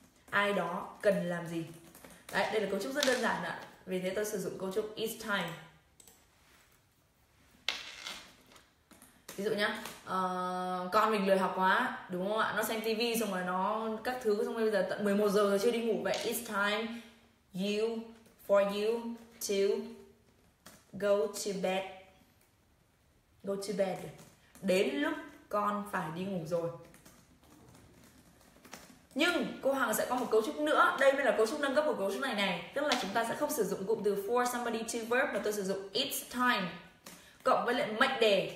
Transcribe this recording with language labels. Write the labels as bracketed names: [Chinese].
[Vietnamese] Ai đó cần làm gì. Đấy, đây là cấu trúc rất đơn giản ạ. Vì thế tôi sử dụng cấu trúc it's time. Ví dụ nhá, con mình lười học quá, đúng không ạ? Nó xem TV xong rồi nó các thứ xong rồi bây giờ tận 11 giờ rồi chưa đi ngủ. [English] Vậy it's time you for you to go to bed. Go to bed. [Vietnamese] Đến lúc con phải đi ngủ rồi. Nhưng cô Hằng sẽ có một cấu trúc nữa. Đây mới là cấu trúc nâng cấp của cấu trúc này này. Tức là chúng ta sẽ không sử dụng cụm từ [English] for somebody to verb, [Vietnamese] mà tôi sử dụng it's time cộng với lại mệnh đề.